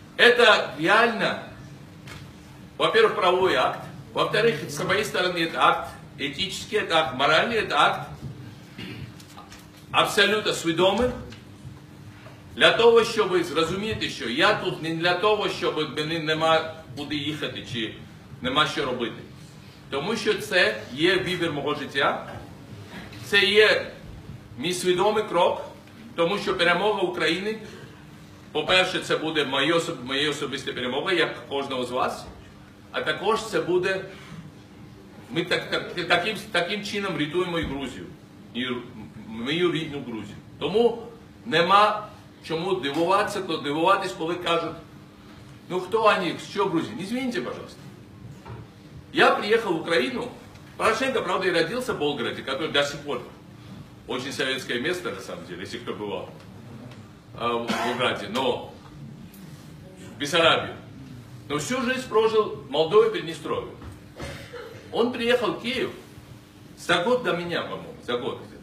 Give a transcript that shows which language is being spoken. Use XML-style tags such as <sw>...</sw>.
<ru>Это реально, во-первых, правовой акт, во-вторых, с моей стороны это акт этический, это акт моральный, это акт абсолютно сведомый, для того, чтобы, разумеется, еще, я тут не для того, чтобы мне нема куда ехать, чи нема что робити.</ru> <uk>Тому що це є вибір мого життя, це є мій свідомий крок, тому що перемога України, по-перше, це буде моя особиста перемога, як кожного з вас, а також це буде, ми таким чином рятуємо і Грузію, і мою рідну Грузію. Тому нема чому дивуватися, то дивуватись, коли кажуть, ну хто вони, що Грузія, не звиніться, будь ласка.</uk> <ru>Я приехал в Украину, Порошенко, правда, и родился в Болгороде, который до сих пор очень советское место, на самом деле, если кто бывал в Болгороде, но в Бессарабии. Но всю жизнь прожил в Молдове, Приднестровье. Он приехал в Киев за год до меня, по-моему, за год.</ru>